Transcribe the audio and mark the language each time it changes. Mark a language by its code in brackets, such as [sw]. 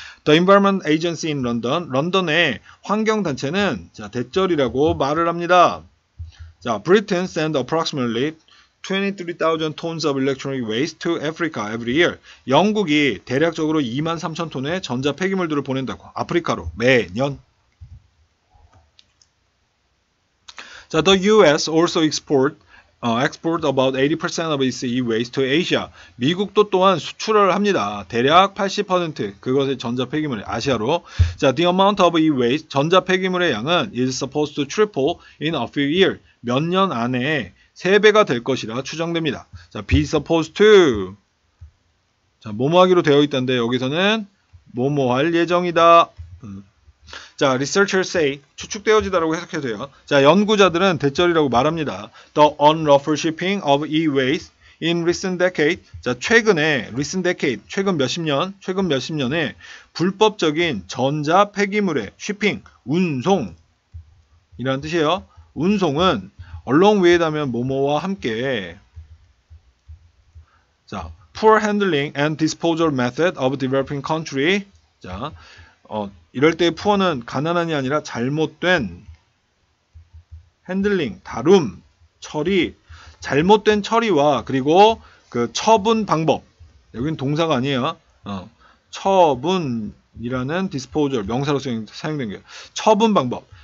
[en] The Environment Agency in London, [ko] 런던의 환경단체는 자, 대절이라고 말을 합니다. [en] 자, Britain send approximately 23,000 tons of electronic waste to Africa every year. [ko] 영국이 대략적으로 23,000톤의 전자 폐기물들을 보낸다고, 아프리카로 매년. [en] 자, the US also export about 80% of its e-waste to Asia. [ko] 미국도 또한 수출을 합니다. 대략 80% 그것의 전자 폐기물이 아시아로. [en] 자, the amount of e-waste, [ko] 전자 폐기물의 양은 [en] is supposed to triple in a few years. [ko] 몇 년 안에 3배가 될 것이라 추정됩니다. [en] 자, be supposed to. [ko] 자, 뭐뭐하기로 되어 있던데 여기서는 뭐뭐할 예정이다. 자, [en] researchers say [ko] 추측되어지다라고 해석해도 돼요. 자, 연구자들은 대절이라고 말합니다. [en] The unlawful shipping of e-waste in recent decade. [ko] 자, 최근에 [en] recent decade [ko] 최근 몇십 년에 불법적인 전자 폐기물의 shipping 운송이라는 뜻이에요. 운송은 [en] along with [ko] 하면 뭐뭐와 함께. [en] 자, poor handling and disposal method of developing country. [ko] 자, 이럴 때 푸어는 가난한이 아니라 잘못된 핸들링, 다룸, 처리, 잘못된 처리와 그리고 그 처분 방법. 여긴 동사가 아니에요. 처분이라는 disposal, 명사로 사용된 게 처분 방법.